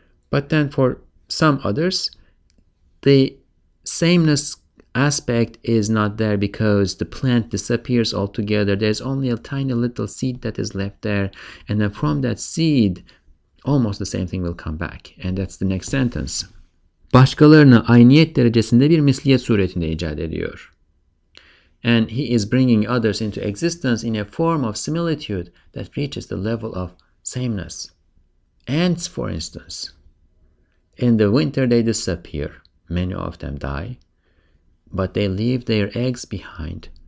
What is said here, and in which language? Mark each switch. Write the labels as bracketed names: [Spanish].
[English] But then for some others, the sameness aspect is not there because the plant disappears altogether. There's only a tiny little seed that is left there. And then from that seed, almost the same thing will come back. And that's the next sentence. [Turkish] Başkalarını ayniyet derecesinde bir misliyet suretinde icat ediyor. [English] And he is bringing others into existence in a form of similitude that reaches the level of sameness. Ants, for instance. In the winter, they disappear. Many of them die. But they leave their eggs behind.